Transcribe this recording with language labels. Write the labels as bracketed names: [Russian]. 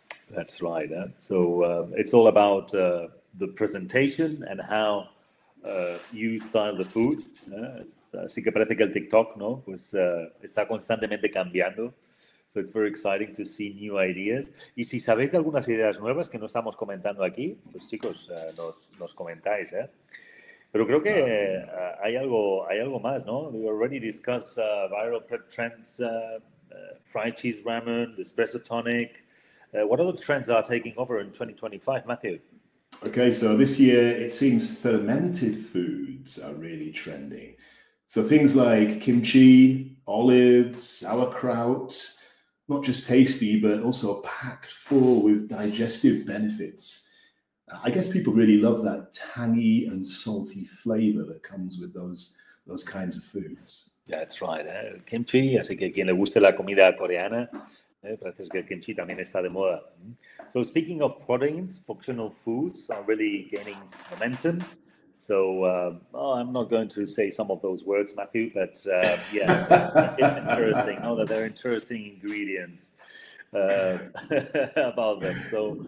[English] That's right. It's all about the presentation and how you style the food. [Spanish] Así que parece que el TikTok, ¿no? Pues está constantemente cambiando. [English] So it's very exciting to see new ideas. [Spanish] Y si sabéis de algunas ideas nuevas que no estamos comentando aquí, pues chicos, nos comentáis, ¿eh? Pero creo que hay algo más, ¿no? [English] We already discussed viral pet trends, fried cheese ramen, espresso tonic. What other trends are taking over in 2025, Matthew? Okay, so this year it seems fermented foods are really trending. So things like kimchi, olives, sauerkraut, not just tasty, but also packed full with digestive benefits. I guess people really love that tangy and salty flavor that comes with those kinds of foods. That's right, ¿eh? [Spanish] Kimchi, así que quien le guste la comida coreana. Parece que el kimchi también está de moda. [English] So speaking of proteins, functional foods are really gaining momentum. So I'm not going to say some of those words, Matthew, but yeah, it's interesting. Oh, that they're interesting ingredients about them. So